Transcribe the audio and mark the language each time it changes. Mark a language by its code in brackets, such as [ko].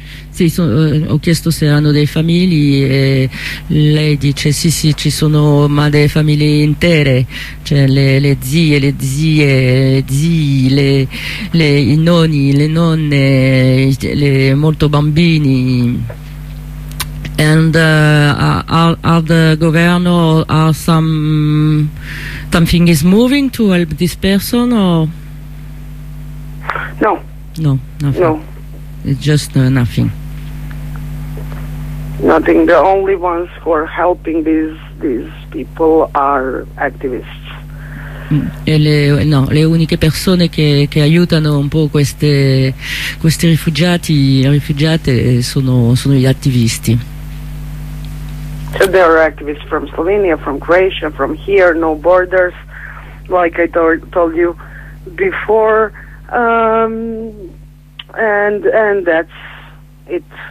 [it] Sì, ho chiesto se hanno dei famigli e lei dice sì sì, ci sono, ma delle famiglie intere, cioè le zie, le zie, le zii, le i nonni, le nonne, le molto bambini. [en] And are the governo are something is moving to help this person or no, it's just nothing. Nothing. The only ones who are helping these people are activists. [it] E le uniche persone che aiutano un po' questi rifugiati rifugiate sono gli attivisti. [en] So there are activists from Slovenia, from Croatia, from here. No borders, like I told you before, and that's it.